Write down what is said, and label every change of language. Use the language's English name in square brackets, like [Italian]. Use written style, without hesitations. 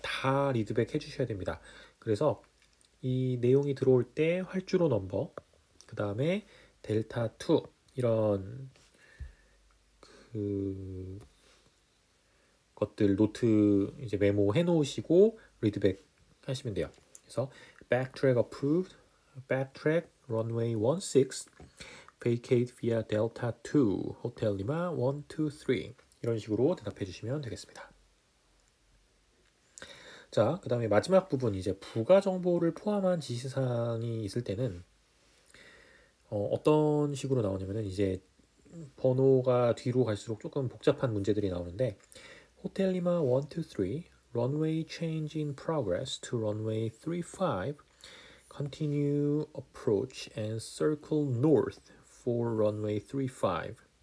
[Korean] 다 리드백 해주셔야 됩니다. 그래서 이 내용이 들어올 때 활주로 넘버 그 다음에 델타 2 이런 그 것들 노트 이제 메모 해놓으시고 리드백 하시면 돼요. [English] 그래서 Backtrack Approved Backtrack Runway 16 Vacate via Delta 2 Hotel Lima 1, 2, 3 [Korean] 이런 식으로 대답해 주시면 되겠습니다. 자, 그 다음에 마지막 부분 이제 부가 정보를 포함한 지시사항이 있을 때는 어떤 식으로 나오냐면은 이제 번호가 뒤로 갈수록 조금 복잡한 문제들이 나오는데 Hotel Lima 1, 2, 3 [English] Runway Change in Progress to Runway 3, 5 Continue approach and circle north for runway 35.